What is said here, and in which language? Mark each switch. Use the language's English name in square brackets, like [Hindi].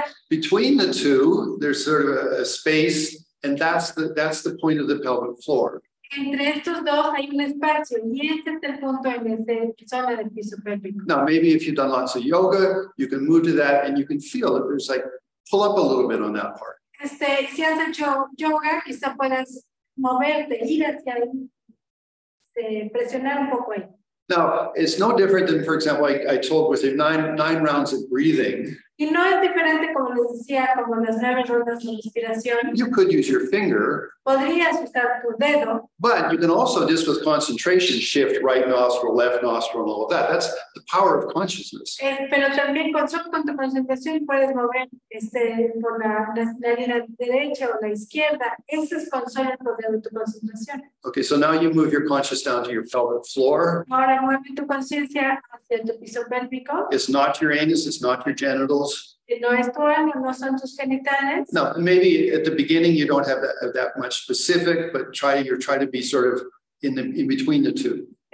[English] Between the two, there's sort of a space, and that's the point of the pelvic floor. [Spanish] Entre estos dos hay un espacio y este es el punto en ese zona del piso pélvico. [English] Now maybe if you've done lots of yoga, you can move to that and you can feel it. There's like pull up a little bit on that part. [Spanish] Si has hecho yoga, quizá puedas moverte, ir hacia ahí, presionar un poco ahí. [English] Now, it's no different than, for example, like I told with him, nine rounds of breathing. [Spanish] Y no es diferente como les decía, como las nueve rondas de respiración. [English] You could use your finger. [Spanish] Podrías usar tu dedo. [English] But you can also, just with concentration, shift right nostril, left nostril, and all of that. That's the power of consciousness. [Spanish] Pero también con tu concentración puedes mover por la derecha o la izquierda. Ese es con solo el poder de tu concentración. [English] Okay, so now you move your conscious down to your pelvic floor. [Spanish] Ahora mueve tu conciencia hacia tu piso pélvico. [English] It's not your anus, it's not your genital. No, maybe at the beginning you don't have that much specific, but try to be sort of in between the two.